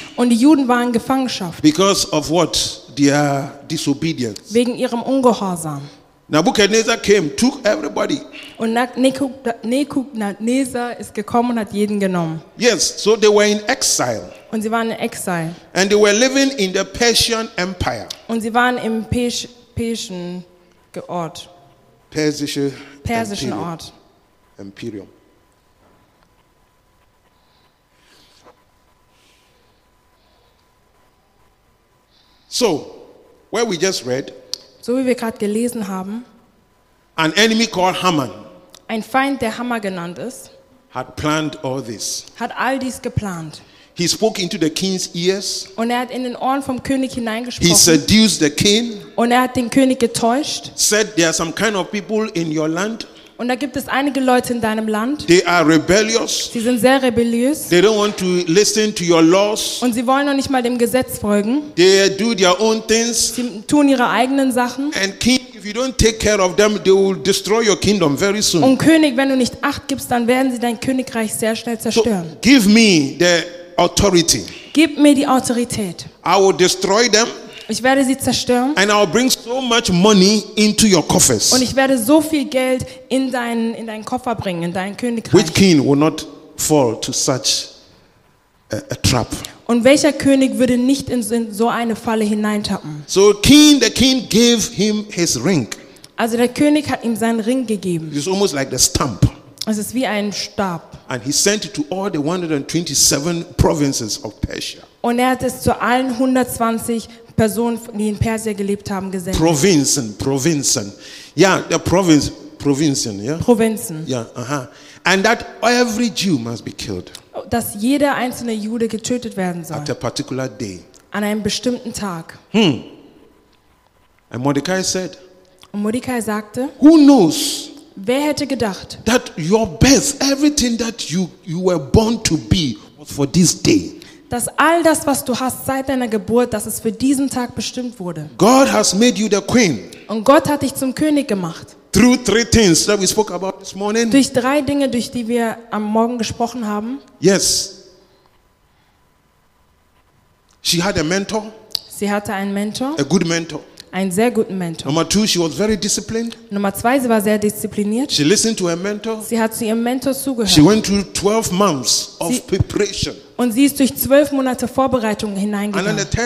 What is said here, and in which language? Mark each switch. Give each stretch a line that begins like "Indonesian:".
German: Und die Juden waren in Gefangenschaft.
English: Because of what? Their disobedience.
German: Wegen ihrem Ungehorsam.
English: Nebuchadnezzar came, took everybody.
German: Und Nebuchadnezzar ist gekommen und hat jeden genommen.
English: Yes, so they were in exile.
German: Und sie waren in Exile.
English: And they were living in the Persian Empire.
German: Und sie waren im Persischen Ort. Persischen Imperium. Ort. Imperium.
English: So, where we just read.
German: So wie wir gerade gelesen haben.
English: An enemy called Haman.
German: Ein Feind, der Haman genannt ist.
English: Had planned all this.
German: Hat all dies geplant.
English: He spoke into the king's ears.
German: Und hat in den Ohren vom König hineingesprochen.
English: He seduced the king.
German: Und hat den König getäuscht.
English: Said there are some kind of people in your land.
German: Und da gibt es einige Leute in deinem Land.
English: They are rebellious.
German: Sie sind sehr rebellious.
English: They don't want to listen to your laws.
German: Und sie wollen noch nicht mal dem Gesetz folgen.
English: They do their own things.
German: Sie tun ihre eigenen Sachen.
English: And king, if you don't take care of them, they will destroy your kingdom very soon.
German: Und König, wenn du nicht Acht gibst, dann werden sie dein Königreich sehr schnell zerstören.
English: So give me the authority.
German: Gib mir die Autorität.
English: I will destroy them.
German: Ich werde sie zerstören.
English: And I will bring so much money into your coffers.
German: Und ich werde so viel Geld in deinen Koffer bringen, in dein Königreich.
English: Which king will not fall to such a trap?
German: Und welcher König würde nicht in so eine Falle hineintappen?
English: So the king gave him his ring.
German: Also der König hat ihm seinen Ring gegeben.
English: It's almost like the stamp.
German: Es ist wie ein Stab.
English: And he sent it to all the 127 provinces of Persia.
German: Und hat es zu allen 120 Personen, die in Persien gelebt haben, gesendet. Provinzen. Ja, der Provinzen, ja? Provinzen. Ja, aha.
English: And that every Jew must be killed.
German: Dass jeder einzelne Jude getötet werden soll.
English: At a particular day.
German: An einem bestimmten Tag.
English: And Mordecai said.
German: Und Mordecai sagte.
English: Who knows?
German: Wer hätte gedacht?
English: That your birth, everything that you were born to be, was for this day.
German: Dass all das, was du hast seit deiner Geburt, dass es für diesen Tag bestimmt wurde.
English: God has made you the queen.
German: Und Gott hat dich zum König gemacht.
English: Through three things that we spoke about this morning.
German: Durch drei Dinge, durch die wir am Morgen gesprochen haben.
English: Yes. She had a mentor.
German: Sie hatte einen Mentor.
English: A good mentor.
German: Einen sehr guten Mentor.
English: Number two, she was very disciplined.
German: Nummer zwei, sie war sehr diszipliniert.
English: She listened to her mentor.
German: Sie hat zu ihrem Mentor zugehört.
English: She went through 12 months of preparation.
German: Und sie ist durch 12 Monate Vorbereitung hineingegangen.